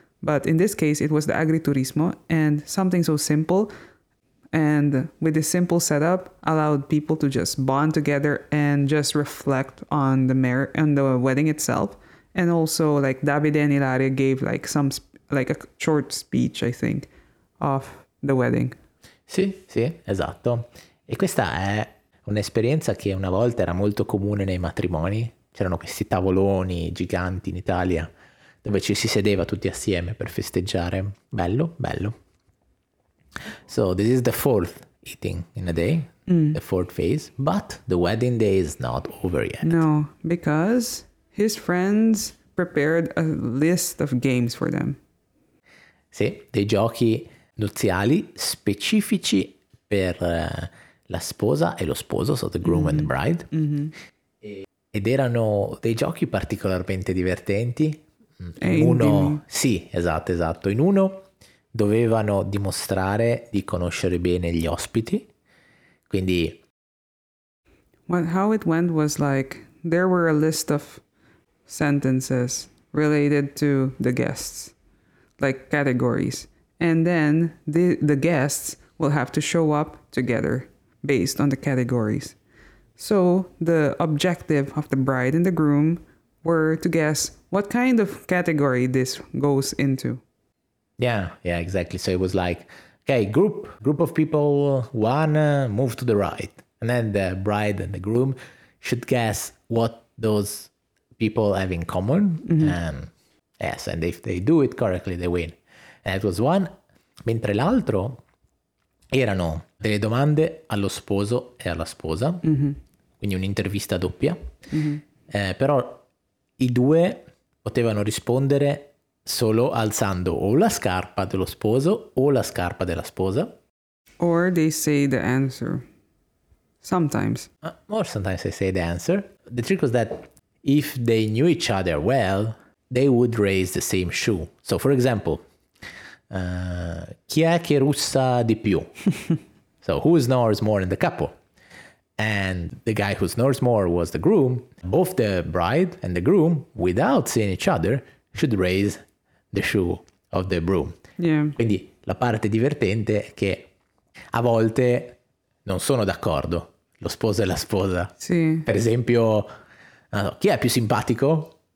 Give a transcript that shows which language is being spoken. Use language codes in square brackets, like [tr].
[en] But in this case, it was the agriturismo, and something so simple and with this simple setup allowed people to just bond together and just reflect on the wedding itself. And also, like, Davide and Ilaria gave like some like a short speech, I think, of the wedding. [it] Sì, sì, esatto. E questa è un'esperienza che una volta era molto comune nei matrimoni. C'erano questi tavoloni giganti in Italia dove ci si sedeva tutti assieme per festeggiare. Bello, bello. [en] So this is the fourth eating in a day, the fourth phase, but the wedding day is not over yet. No, because his friends prepared a list of games for them. [it] Sì, dei giochi nuziali specifici per la sposa e lo sposo, [en] so the groom and the bride. Mm-hmm. [it] Ed erano dei giochi particolarmente divertenti. In uno dovevano dimostrare di conoscere bene gli ospiti, quindi... [en] Well, how it went was like, there were a list of sentences related to the guests, like categories. And then the guests will have to show up together based on the categories. So the objective of the bride and the groom were to guess what kind of category this goes into. Yeah, exactly. So it was like, okay, group of people, one, move to the right. And then the bride and the groom should guess what those people have in common. Mm-hmm. Yes, and if they do it correctly, they win. And it was one. [it] Mentre l'altro erano delle domande allo sposo e alla sposa, quindi un'intervista doppia. Mm-hmm. Però i due potevano rispondere solo alzando o la scarpa dello sposo o la scarpa della sposa. [en] Or they say the answer. Sometimes. Or sometimes they say the answer. the trick was that if they knew each other well, they would raise the same shoe. So, for example, [it] chi è che russa di più? [en] So, who snores more than the couple? And the guy who snores more was the groom. Both the bride and the groom, without seeing each other, should raise the shoe of the broom. Yeah. [it] Quindi la parte divertente è che a volte non sono d'accordo lo sposo e la sposa. Sì. Per esempio, non so, chi è più simpatico?